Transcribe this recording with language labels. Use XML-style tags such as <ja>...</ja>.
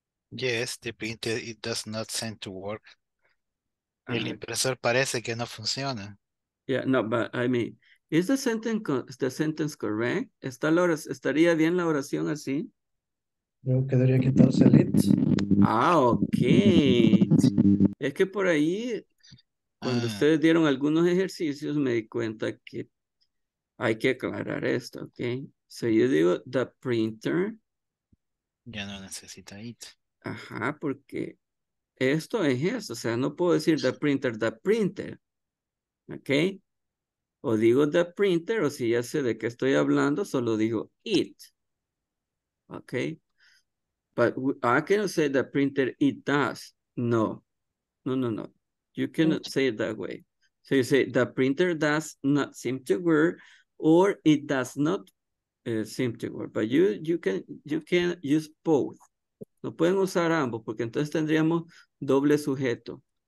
<en>Yes, the printer, it does not seem to work.</en> <es>Uh-huh. El impresor parece que no funciona.</es> <en>Yeah, no, but I mean, is the sentence correct?</en> <es>¿Está la oración, estaría bien la oración así? Yo quedaría quitarse el it. Ah, okay. Es que por ahí... Cuando ustedes dieron algunos ejercicios, me di cuenta que hay que aclarar esto, ¿ok?</es> <en>So</en> <es>yo digo,</es> <en>the printer.</en> <es>Ya no necesita it. Ajá, porque esto es eso. O sea, no puedo decir</es> <en>the printer,</en> <es>¿ok? O digo</es> <en>the printer,</en> <es>o si ya sé de qué estoy hablando, solo digo it, ¿ok?</es> <en>But I cannot say the printer, it does. No. You cannot say it that way. So you say the printer does not seem to work, or it does not seem to work. But you can use both.</en> <es>No pueden usar ambos porque entonces tendríamos doble sujeto.</es>